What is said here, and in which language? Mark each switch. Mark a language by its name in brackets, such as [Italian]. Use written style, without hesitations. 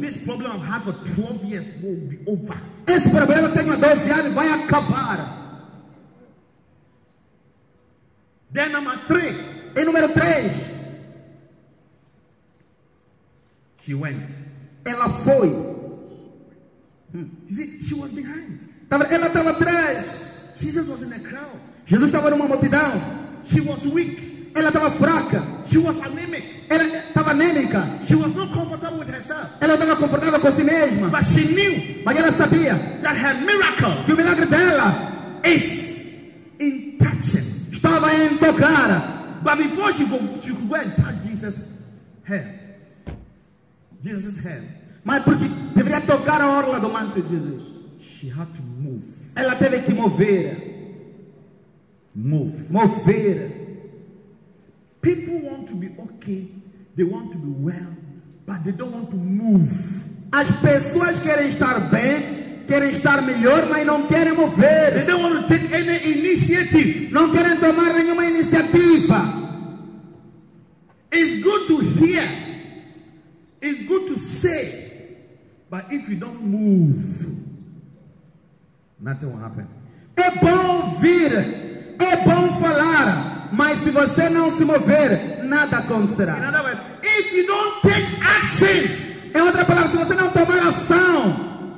[English] This problem I've had for 12 years will be over. [Portuguese] Esse problema eu tenho há 12 anos vai acabar. [English] Then number 3. [Portuguese] E número 3. [English] She went. [Portuguese] Ela foi. [English] You see, she was behind. [Portuguese] Ela estava atrás. [English] Jesus was in the crowd. [Portuguese] Jesus estava numa multidão. [English] She was weak. [Portuguese] Ela estava fraca. [English] She was anemic. [Portuguese] Ela estava anêmica. [English] She was not comfortable with herself. [Portuguese] Ela estava confortável com si mesma. [English] But she knew. [Portuguese] Mas ela sabia. [English] That her miracle. [Portuguese] Que o milagre dela. [English] Is in touching. [Portuguese] Estava em tocar. [English] But before she could go and touch Jesus' hair. Jesus' hair. [Portuguese] Mas porque deveria tocar a orla do manto de Jesus. [English] She had to move. [Portuguese] Ela teve que mover. [English] Move. [Portuguese] Mover. [English] People want to be okay, they want to be well, but they don't want to move. [Portuguese] As pessoas querem estar bem, querem estar melhor, mas não querem mover. [English] They don't want to take any initiative. [Portuguese] Não querem tomar nenhuma iniciativa. [English] It's good to hear. It's good to say. But if you don't move, nothing will happen. [Portuguese] É bom ouvir. É bom falar. Mas se você não se mover, nada acontecerá. [English] In other words, if you don't take action, [Portuguese] em outra palavra, se você não tomar ação,